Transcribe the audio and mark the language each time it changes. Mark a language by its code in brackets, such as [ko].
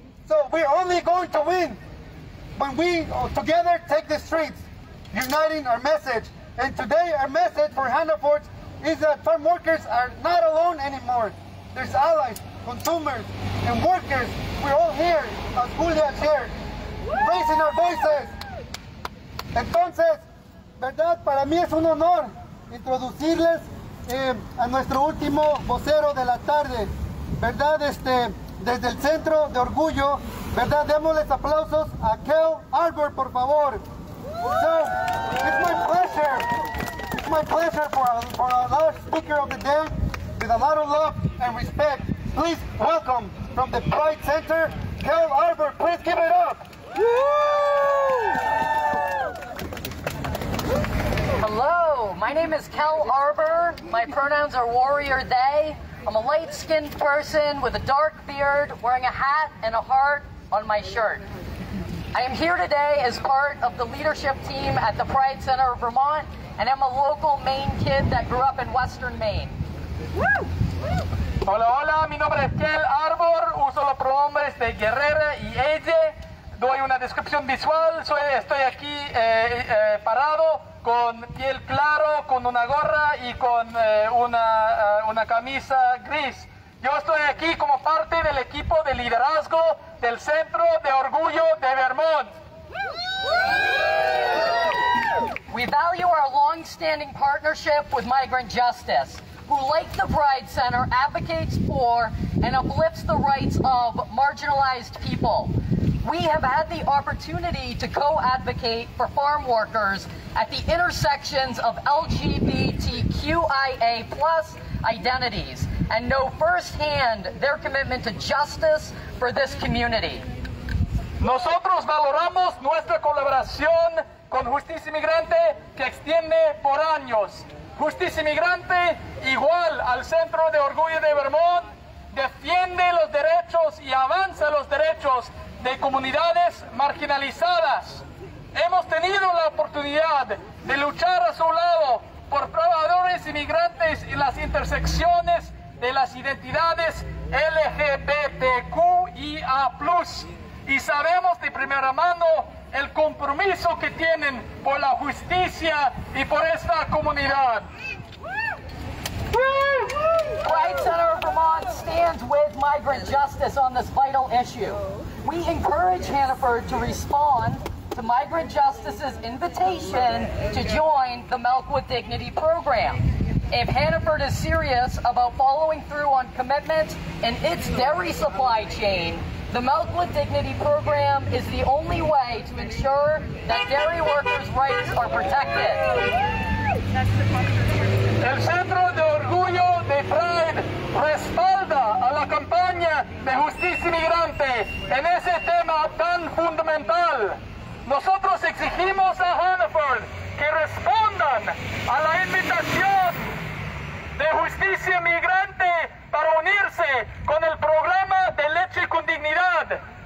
[en] So we're only going to win when we together take the streets, uniting our message. And today our message for Hannaford is that farm workers are not alone anymore. There's allies, consumers, and workers. We're all here, as Julia shared, raising our voices. [es] Entonces, verdad, para mí es un honor introducirles a nuestro último vocero de la tarde, verdad, este, desde el Centro de Orgullo, verdad, démosles aplausos a Kel Albert, por favor. [en] So, it's my pleasure for our last speaker of the day, with a lot of love and respect. Please welcome from the Pride Center, Kel Albert. Please give it up. Hello, my name is Kel Arbor. My pronouns are warrior they. I'm a light-skinned person with a dark beard, wearing a hat and a heart on my shirt. I am here today as part of the leadership team at the Pride Center of Vermont, and I'm a local Maine kid that grew up in Western Maine. [es] Hola, hola, mi nombre es Kel Arbor. Uso los pronombres de guerrera y ella. Doy una descripción visual. Estoy aquí parado. Con piel claro, con una gorra y con una camisa gris. Yo estoy aquí como parte del equipo de liderazgo del Centro de Orgullo de Vermont. [en] We value our long-standing partnership with Migrant Justice, who, like the Pride Center, advocates for and uplifts the rights of marginalized people. We have had the opportunity to co-advocate for farm workers at the intersections of LGBTQIA+ identities and know firsthand their commitment to justice for this community. [es] Nosotros valoramos nuestra colaboración con Justicia Migrante que extiende por años. Justicia Migrante, igual al Centro de Orgullo de Vermont, defiende los derechos y avanza los derechos de comunidades marginalizadas. Hemos tenido la oportunidad de luchar a su lado por trabajadores inmigrantes en las intersecciones de las identidades LGBTQIA+. Y sabemos de primera mano el compromiso que tienen por la justicia y por esta comunidad. [en] Pride Center of Vermont stands with Migrant Justice on this vital issue. We encourage Hannaford to respond to Migrant Justice's invitation to join the Milk with Dignity program. If Hannaford is serious about following through on commitments in its dairy supply chain, the Milk with Dignity program is the only way to ensure that dairy workers' rights are protected. [es] El Centro de Orgullo de Pride respalda a la campaña de Justicia Migrante en ese tema tan fundamental. Nosotros exigimos a Hannaford que respondan a la invitación de Justicia Migrante para unirse con el programa de Leche con Dignidad.